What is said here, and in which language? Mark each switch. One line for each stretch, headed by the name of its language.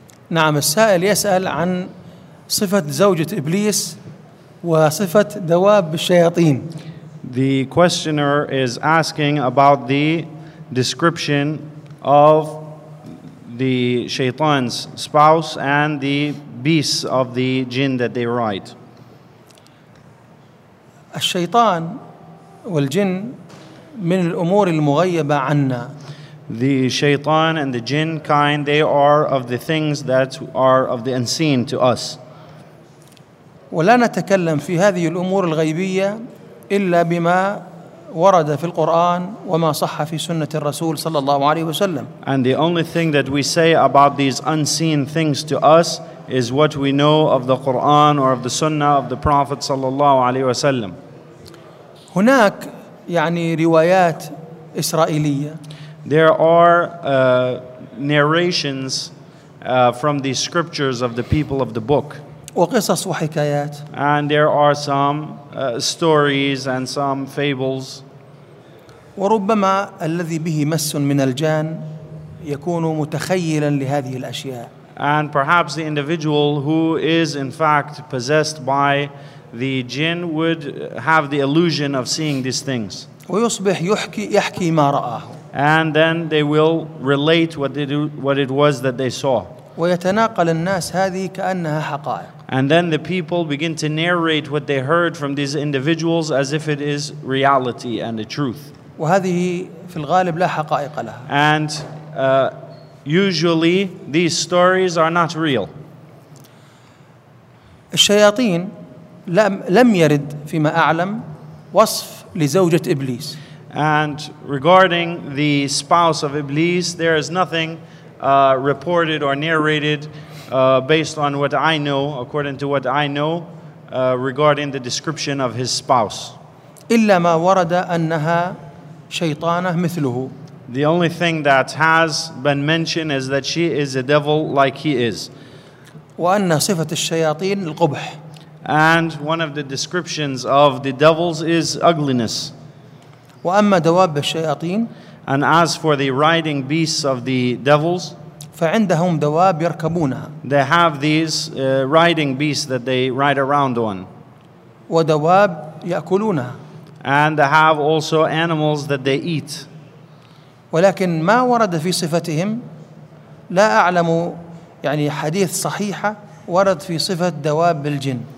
Arabic: نعم السائل يسأل عن صفة زوجة إبليس وصفة دواب الشياطين.
English: The questioner is asking about the description of the shaitan's spouse and the beasts of the jinn that they ride.
Arabic: الشيطان والجن من الأمور المغيبة عنا.
English: The shaitan and the jinn kind, they are of the things that are of the unseen to us.
Arabic: ولا نتكلم في هذه الأمور الغيبية إلا بما ورد في القرآن وما صح في سنة الرسول صلى الله عليه وسلم.
English: And the only thing that we say about these unseen things to us is what we know of the Quran or of the Sunnah of the Prophet
Arabic: صلى الله عليه وسلم. هناك يعني روايات إسرائيلية.
English: There are narrations from the scriptures of the people of the book.
Arabic: وقصص وحكايات.
English: And there are some stories and some fables.
Arabic: وربما الذي به مس من الجان يكون متخيلا لهذه الأشياء.
English: And perhaps the individual who is in fact possessed by the jinn would have the illusion of seeing these things.
Arabic: ويصبح يحكي ما رآه.
English: And then they will relate what it was that they saw.
Arabic: ويتناقل الناس هذه كأنها حقائق.
English: And then the people begin to narrate what they heard from these individuals as if it is reality and the truth.
Arabic: وهذه في الغالب لا حقائق لها.
English: And usually these stories are not real.
Arabic: الشياطين لم يرد فيما أعلم وصف لزوجة إبليس.
English: And regarding the spouse of Iblis, there is nothing reported or narrated based on what I know, according to what I know, regarding the description of his spouse.
Arabic: إِلَّا مَا وَرَدَ أَنَّهَا شَيْطَانَهْ مِثْلُهُ.
English: The only thing that has been mentioned is that she is a devil like he is.
Arabic: وَأَنَّ صِفَةِ الشَّيَاطِينِ الْقُبْحِ.
English: And one of the descriptions of the devils is ugliness.
Arabic: وأما دواب الشياطين
English: and as for the riding beasts of the devils
Arabic: فعندهم دواب يركبونها
English: they have these riding beasts that they ride around on
Arabic: ودواب يأكلونها
English: and they have also animals that they eat
Arabic: ولكن ما ورد في صفتهم لا أعلم يعني حديث صحيحة ورد في صفة دواب الجن